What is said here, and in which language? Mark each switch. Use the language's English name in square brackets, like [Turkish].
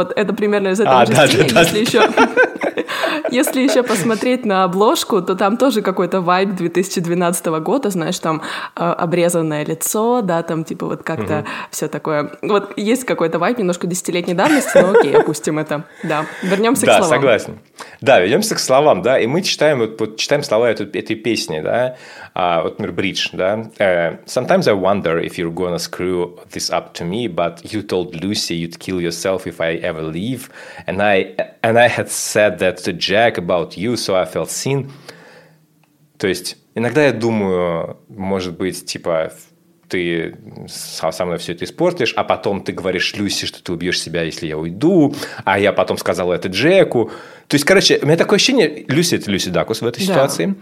[Russian] Вот это примерно из этого же стиля, если еще... Если еще посмотреть на обложку, то там тоже какой-то вайб 2012 года, знаешь, там обрезанное лицо, да, там типа вот как-то все такое. Вот есть какой-то вайб немножко десятилетней давности, но окей, опустим это. Да, вернемся к словам. Да, согласен. Да, вернемся к словам, да, и мы читаем, вот читаем слова этой песни, да, вот, например, бридж, да. [English] Sometimes I wonder if you're gonna screw this up to me, but you told Lucy you'd kill yourself if I ever leave, and I had said that to Jack about you, so I felt seen. [Russian] То есть, иногда я думаю, может быть, типа, ты со мной все это испортишь, а потом ты говоришь Люси, что ты убьешь себя, если я уйду, а я потом сказал это Джеку. То есть, короче, у меня такое ощущение, Люси – это Люси Дакус в этой ситуации.